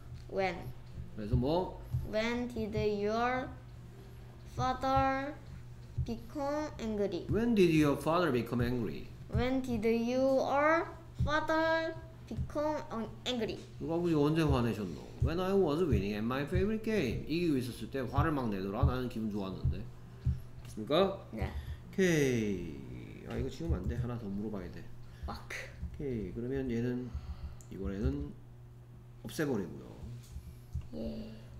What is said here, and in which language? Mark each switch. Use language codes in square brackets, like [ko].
[en] When? [ko] 그래서 뭐? [en] When did your father become angry? When did your father become angry? When did your father become angry? [ko] 누가 아버지 언제 화내셨노? [en] When I was winning at my favorite game. [ko] 이기고 있었을 때 화를 막 내더라. 나는 기분 좋았는데. 됐습니까? 네. 오케이. 아 이거 지우면 안 돼. 하나 더 물어봐야 돼. 막. 오케이. 그러면 얘는 이번에는 없애버리고요. 예.